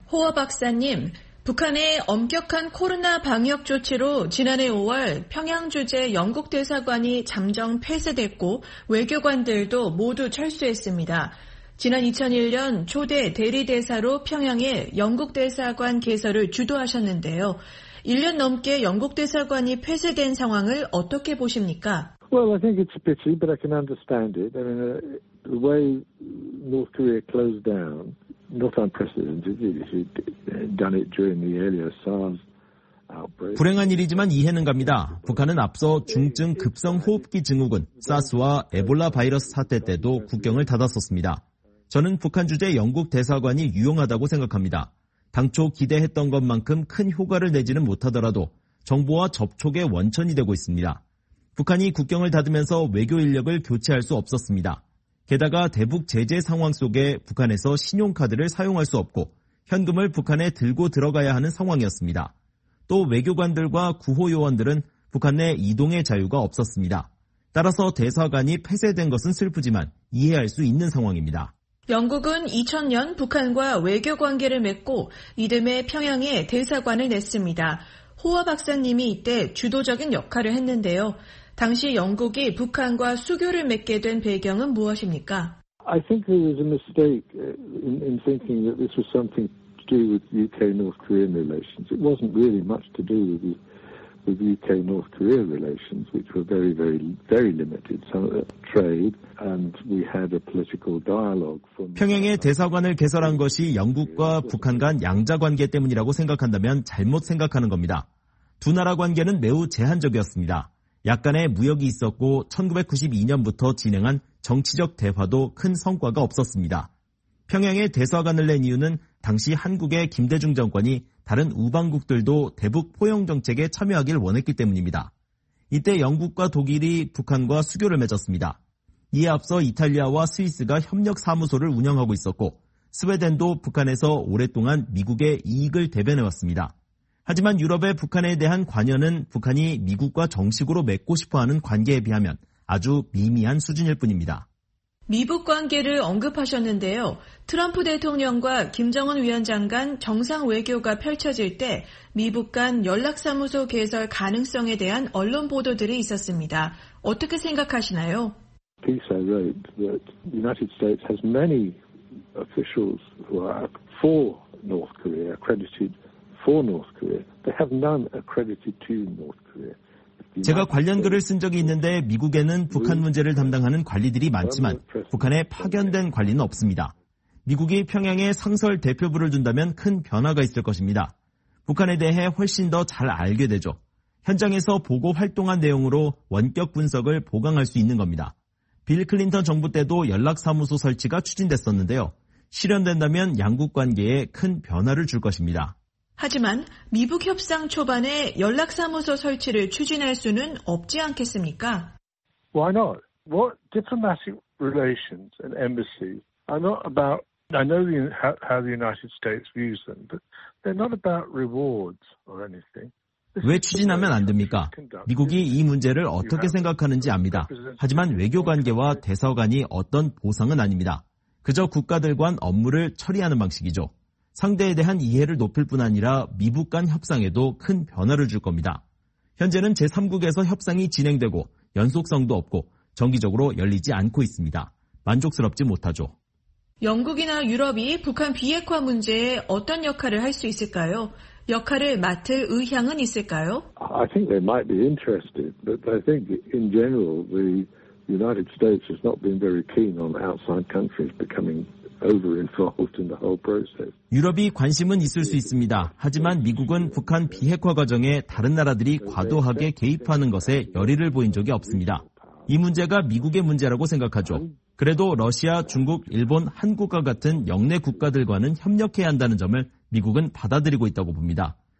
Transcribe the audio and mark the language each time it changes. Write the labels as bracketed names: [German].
[Korean] 호어 박사님, 북한의 엄격한 코로나 방역 조치로 지난해 5월 평양 주재 영국 대사관이 잠정 폐쇄됐고 외교관들도 모두 철수했습니다. 지난 2001년 초대 대리대사로 평양의 영국 대사관 개설을 주도하셨는데요. 1년 넘게 영국 대사관이 폐쇄된 상황을 어떻게 보십니까? [English] Well, I think it's a pity, but I can understand it. I mean, the way North Korea closed down, not unprecedented, if you'd done it during the earlier SARS outbreak. [Korean] 불행한 일이지만 이해는 갑니다. 북한은 앞서 중증 급성 호흡기 증후군, 사스와 에볼라 바이러스 사태 때도 국경을 닫았었습니다. 저는 북한 주재 영국 대사관이 유용하다고 생각합니다. 당초 기대했던 것만큼 큰 효과를 내지는 못하더라도 정보와 접촉의 원천이 되고 있습니다. 북한이 국경을 닫으면서 외교 인력을 교체할 수 없었습니다. 게다가 대북 제재 상황 속에 북한에서 신용카드를 사용할 수 없고 현금을 북한에 들고 들어가야 하는 상황이었습니다. 또 외교관들과 구호요원들은 북한 내 이동의 자유가 없었습니다. 따라서 대사관이 폐쇄된 것은 슬프지만 이해할 수 있는 상황입니다. 영국은 2000년 북한과 외교 관계를 맺고 이듬해 평양에 대사관을 냈습니다. 호화 박사님이 이때 주도적인 역할을 했는데요. 당시 영국이 북한과 수교를 맺게 된 배경은 무엇입니까? [English] I think there was a mistake in thinking that this was something to do with UK-North Korean relations. It wasn't really much to do with UK-North Korea relations, which were very, very, very limited. Some trade, and we had a political dialogue. [Korean] 평양에 대사관을 개설한 것이 영국과 북한 간 양자 관계 때문이라고 생각한다면 잘못 생각하는 겁니다. 두 나라 관계는 매우 제한적이었습니다. 약간의 무역이 있었고 1992년부터 진행한 정치적 대화도 큰 성과가 없었습니다. 평양에 대사관을 낸 이유는 당시 한국의 김대중 정권이 다른 우방국들도 대북 포용 정책에 참여하길 원했기 때문입니다. 이때 영국과 독일이 북한과 수교를 맺었습니다. 이에 앞서 이탈리아와 스위스가 협력 사무소를 운영하고 있었고 스웨덴도 북한에서 오랫동안 미국의 이익을 대변해왔습니다. 하지만 유럽의 북한에 대한 관여는 북한이 미국과 정식으로 맺고 싶어하는 관계에 비하면 아주 미미한 수준일 뿐입니다. 미북 관계를 언급하셨는데요. 트럼프 대통령과 김정은 위원장 간 정상 외교가 펼쳐질 때 미북 간 연락사무소 개설 가능성에 대한 언론 보도들이 있었습니다. 어떻게 생각하시나요? [English] Piece I wrote that the United States has many officials who are for North Korea, accredited for North Korea. They have none accredited to North Korea. [Korean] 제가 관련 글을 쓴 적이 있는데 미국에는 북한 문제를 담당하는 관리들이 많지만 북한에 파견된 관리는 없습니다. 미국이 평양에 상설 대표부를 둔다면 큰 변화가 있을 것입니다. 북한에 대해 훨씬 더 잘 알게 되죠. 현장에서 보고 활동한 내용으로 원격 분석을 보강할 수 있는 겁니다. 빌 클린턴 정부 때도 연락사무소 설치가 추진됐었는데요. 실현된다면 양국 관계에 큰 변화를 줄 것입니다. 하지만 미북 협상 초반에 연락사무소 설치를 추진할 수는 없지 않겠습니까? [English] Why not? What diplomatic relations and embassies are not about? I know how the United States views them, but they're not about rewards or anything. [Korean] 왜 추진하면 안 됩니까? 미국이 이 문제를 어떻게 생각하는지 압니다. 하지만 외교 관계와 대사관이 어떤 보상은 아닙니다. 그저 국가들 간 업무를 처리하는 방식이죠. 상대에 대한 이해를 높일 뿐 아니라 미북 간 협상에도 큰 변화를 줄 겁니다. 현재는 제3국에서 협상이 진행되고 연속성도 없고 정기적으로 열리지 않고 있습니다. 만족스럽지 못하죠. 영국이나 유럽이 북한 비핵화 문제에 어떤 역할을 할 수 있을까요? 역할을 맡을 의향은 있을까요? [English] I think they might be interested, but I think in general the United States has not been very keen on outside countries becoming over-involved in the whole process. [Korean] 유럽이 관심은 있을 수 있습니다. 하지만 미국은 북한 비핵화 과정에 다른 나라들이 과도하게 개입하는 것에 열의를 보인 적이 없습니다. 이 문제가 미국의 문제라고 생각하죠. 그래도 러시아, 중국, 일본, 한국과 같은 역내 국가들과는 협력해야 한다는 점을 미국은 받아들이고 있다고 봅니다.